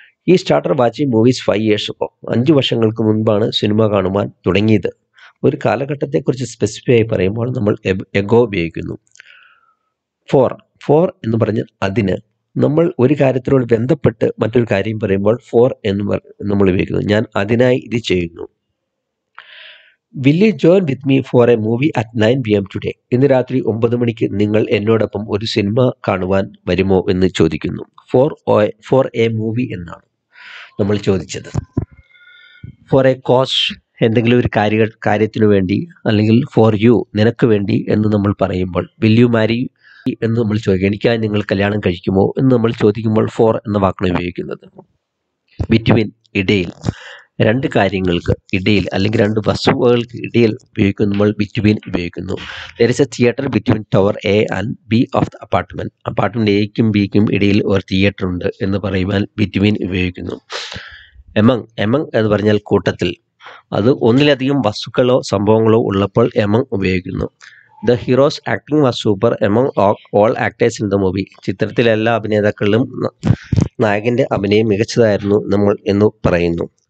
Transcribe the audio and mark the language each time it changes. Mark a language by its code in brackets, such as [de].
[en] ഈ starter watching movies 5 years [ml] ഇപ്പോൾ. 5 വർഷങ്ങൾക്ക് മുൻപാണ് സിനിമ കാണുവാൻ തുടങ്ങിയത്. ഒരു കാലഘട്ടത്തെക്കുറിച്ച് സ്പെസിഫൈ ആയി പറയുമ്പോൾ നമ്മൾ എഗോ ഉപയോഗിക്കുന്നു. ഫോർ, ഫോർ എന്ന് പറഞ്ഞാൽ അതിന്. നമ്മൾ ഒരു കാര്യത്തിനോട് ബന്ധപ്പെട്ട് മറ്റൊരു കാര്യം പറയുമ്പോൾ ഫോർ എന്ന് നമ്മൾ ഉപയോഗിക്കുന്നു. ഞാൻ അതിനായി ഇത് ചെയ്യുന്നു. [en] Will you join with me for a movie at 9 PM today? [ml] ഇന്ന് രാത്രി 9 മണിക്ക് നിങ്ങൾ എന്നോടൊപ്പം ഒരു സിനിമ കാണുവാൻ വരുമോ എന്ന് ചോദിക്കുന്നു. [en] For a movie [ml] എന്നാണ് നമ്മൾ ചോദിച്ചത്. ഫോർ എ കോസ്, എന്തെങ്കിലും ഒരു കാര്യത്തിനു വേണ്ടി, അല്ലെങ്കിൽ ഫോർ യു, നിനക്ക് വേണ്ടി എന്ന് നമ്മൾ പറയുമ്പോൾ, [en] will you marry [ml] എന്ന് നമ്മൾ ചോദിക്കും, എനിക്കായി നിങ്ങൾ കല്യാണം കഴിക്കുമോ എന്ന് നമ്മൾ ചോദിക്കുമ്പോൾ ഫോർ എന്ന വാക്കാണ് ഉപയോഗിക്കുന്നത്. ബിറ്റ്വീൻ, ഇടയിൽ, രണ്ട് കാര്യങ്ങൾക്ക് ഇടയിൽ, അല്ലെങ്കിൽ രണ്ട് വസ്തുവകൾക്ക് ഇടയിൽ ഉപയോഗിക്കുന്നു നമ്മൾ ബിറ്റ്വീൻ ഉപയോഗിക്കുന്നു. [en] There is a theater between tower A and B of the apartment. [ml] Apartment എയ്ക്കും ബിക്കും ഇടയിൽ ഒരു തിയേറ്റർ ഉണ്ട് എന്ന് പറയുവാൻ ബിറ്റ്വീൻ ഉപയോഗിക്കുന്നു. എമംഗ്, എമംഗ് എന്ന് പറഞ്ഞാൽ കൂട്ടത്തിൽ, അത് ഒന്നിലധികം വസ്തുക്കളോ സംഭവങ്ങളോ ഉള്ളപ്പോൾ എമംഗ് ഉപയോഗിക്കുന്നു. [en] the hero's acting was super among all actors in the movie, [ml] ചിത്രത്തിലെ എല്ലാ അഭിനേതാക്കളിലും നായകൻ്റെ അഭിനയം മികച്ചതായിരുന്നു നമ്മൾ എന്ന് പറയുന്നു.